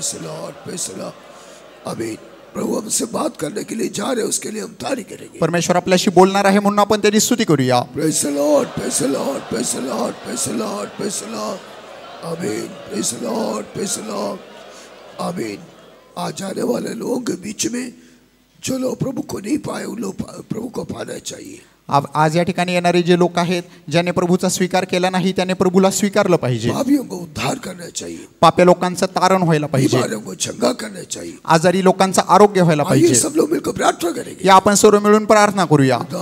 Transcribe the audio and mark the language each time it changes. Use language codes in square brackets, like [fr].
[hi] प्रभु हमसे बात करने के लिए जा रहे हैं, उसके लिए हम तारी करेंगे. [mr] परमेश्वर आपल्याशी बोलणार आहे म्हणून आपण त्याची स्तुती करूया. [en] Praise the lord, praise the lord, praise the lord, praise the lord, praise the lord, आमीन. Praise the lord, praise the lord, आमीन. [hi] आ जाने वाले लोगों के बीच में जो लोग प्रभु को नहीं पाए उन लोग प्रभु को पाना चाहिए. [mr] आज या ठिकाणी येणारे जे लोक आहेत ज्याने प्रभूचा स्वीकार केला नाही त्याने प्रभूला स्वीकारलं पाहिजे. पापे लोकांचं तारण व्हायला पाहिजे. आजारी लोकांचं आरोग्य व्हायला पाहिजे. या आपण सर्व मिळून प्रार्थना करूया.